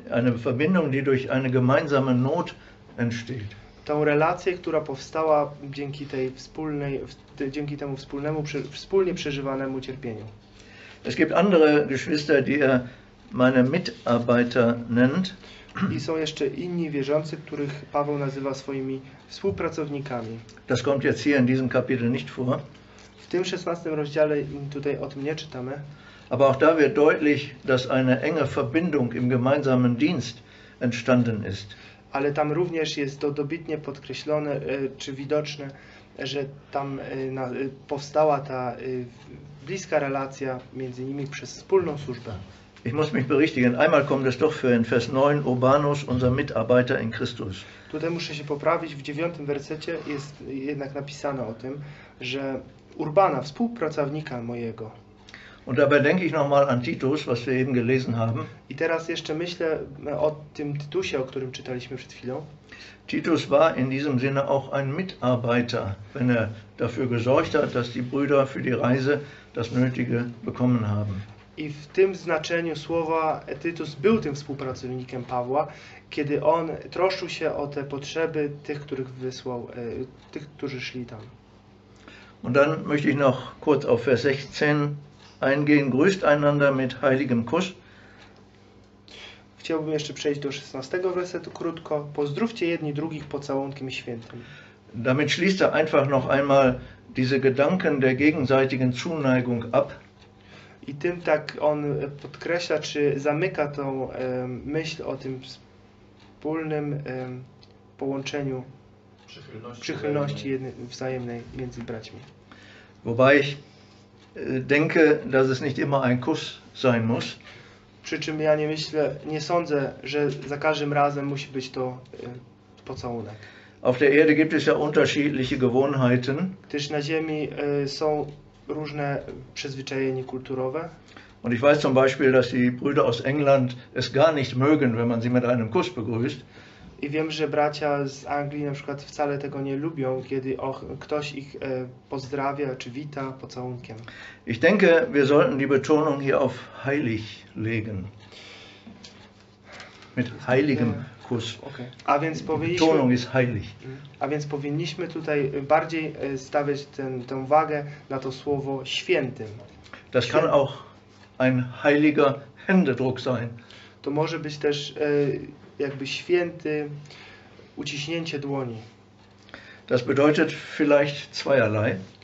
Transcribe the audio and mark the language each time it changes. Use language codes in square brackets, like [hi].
[de] Eine Verbindung, die durch eine gemeinsame Not entsteht. [pl] Tą relację, która powstała dzięki tej wspólnej, dzięki temu wspólnemu, wspólnie przeżywanemu cierpieniu. [de] Es gibt andere Geschwister, die er meine Mitarbeiter nennt. [pl] I są jeszcze inni wierzący, których Paweł nazywa swoimi współpracownikami. [de] Das kommt jetzt hier in diesem Kapitel nicht vor. [pl] W tym 16 rozdziale tutaj o tym nie czytamy. [de] Aber auch da wird deutlich, dass eine enge Verbindung im gemeinsamen Dienst entstanden ist. [pl] Ale tam również jest to dobitnie podkreślone, czy widoczne, że tam powstała ta bliska relacja między nimi przez wspólną służbę. [de] Ich muss mich berichtigen. Einmal kommt es doch für in Vers 9 Urbanus, unser Mitarbeiter in Christus. [pl] Tutaj muszę się poprawić. W 9 wersecie jest jednak napisane o tym, że Urbana, współpracownika mojego. [de] Und dabei denke ich nochmal an Titus, was wir eben gelesen haben. [pl] I teraz jeszcze myślę o tym Titusie, o którym czytaliśmy przed chwilą. [de] Titus war in diesem Sinne auch ein Mitarbeiter, wenn er dafür gesorgt hat, dass die Brüder für die Reise das Nötige bekommen haben. [pl] I w tym znaczeniu słowa Tytus był tym współpracownikiem Pawła, kiedy on troszczył się o te potrzeby tych, których wysłał, tych, którzy szli tam. [de] Und dann möchte ich noch kurz auf Vers 16 eingehen. Grüßt einander mit heiligem Kuss. [pl] Chciałbym jeszcze przejść do 16 wersetu krótko. Pozdrówcie jedni drugich pocałunkiem świętym. [de] Damit schließt er einfach noch einmal diese Gedanken der gegenseitigen Zuneigung ab. [pl] I tym tak on podkreśla, czy zamyka tą myśl o tym wspólnym połączeniu przychylności wzajemnej między braćmi. [de] Wobei ich denke, dass es nicht immer ein Kuss sein muss. [pl] Przy czym ja nie myślę, nie sądzę, że za każdym razem musi być to pocałunek. [de] Auf der Erde gibt es ja unterschiedliche Gewohnheiten. [pl] Gdyż na ziemi są różne przyzwyczajenia kulturowe. [de] Und ich weiß zum Beispiel, dass die Brüder aus England es gar nicht mögen, wenn man sie mit einem Kuss begrüßt. [pl] I wiem, że bracia z Anglii na przykład wcale tego nie lubią, kiedy ktoś ich pozdrawia czy wita pocałunkiem. [de] Ich denke, wir sollten die Betonung hier auf heilig legen. Mit heiligem Kuss. [pl] Okay. A więc [de] Betonung ist heilig. [pl] A więc powinniśmy tutaj bardziej stawiać tę wagę na to słowo świętym. [de] Das kann auch ein heiliger Händedruck sein. [pl] To może być też jakby święty uciśnięcie dłoni. [de] Das bedeutet vielleicht zweierlei.